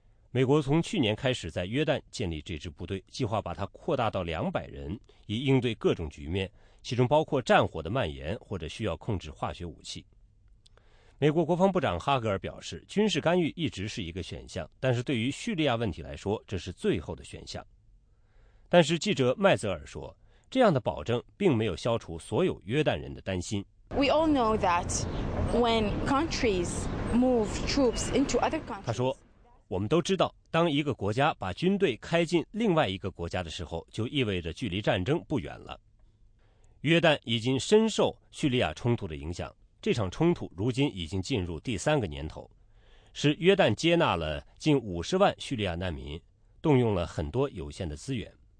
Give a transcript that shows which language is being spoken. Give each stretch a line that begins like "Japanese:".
Chinese: 美国从去年开始在约旦建立这支部队，计划把它扩大到200人，以应对各种局面，其中包括战火的蔓延或者需要控制化学武器。美国国防部长哈格尔表示，军事干预一直是一个选项，但是对于叙利亚问题来说，这是最后的选项。但是记者麦泽尔说，这样的保证并没有消除所有约旦人的担心。
English: We all know that when countries move troops into other countries，
Chinese: 他说，我们都知道，当一个国家把军队开进另外一个国家的时候，就意味着距离战争不远了。约旦已经深受叙利亚冲突的影响，这场冲突如今已经进入第三个年头，是约旦接纳了近50万叙利亚难民，动用了很多有限的资源。